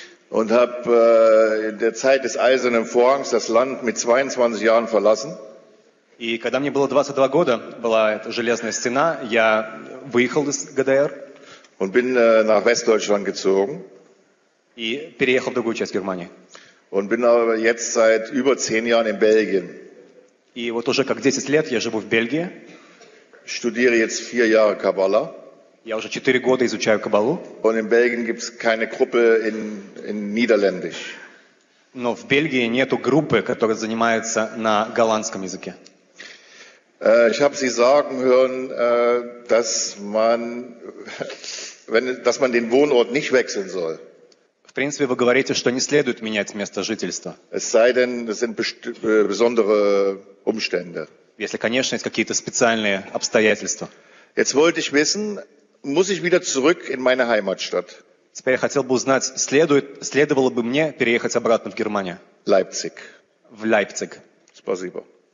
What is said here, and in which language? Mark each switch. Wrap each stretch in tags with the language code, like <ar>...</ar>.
<de>Und habe in der Zeit des Eisernen Vorhangs das Land mit 22 Jahren verlassen.</de> <ru>И когда мне было 22 года, была эта железная стена, я выехал из ГДР.</ru> <de>Und bin nach Westdeutschland gezogen.</de> <ru>И переехал в другую часть Германии.</ru> <de>Und bin aber jetzt seit über 10 Jahren in Belgien.</de> <ru>И вот уже как 10 лет я живу в Бельгии.</ru> <de>Studiere jetzt 4 Jahre Kabbala.</de> <ru>Я уже 4 года изучаю Каббалу.</ru> <de>Und in Belgien gibt's keine Gruppe in Niederländisch.</de> <ru>Но в Бельгии нету группы, которая занимается на голландском языке.</ru> <de>Ich habe Sie sagen hören, dass man, wenn, dass man den Wohnort nicht wechseln soll.</de> <ru>В принципе, вы говорите, что не следует менять место жительства.</ru> <de>Es sei denn, es sind besondere Umstände.</de> <ru>Если, конечно, есть какие-то специальные обстоятельства.</ru> <de>Jetzt wollte ich wissen, muss ich wieder zurück in meine Heimatstadt?</de> <ru>Теперь я хотел бы узнать, следовало бы мне переехать обратно в Германию?</ru> <de>Leipzig.</de> <ru>В Лейпциг. Спасибо.</ru>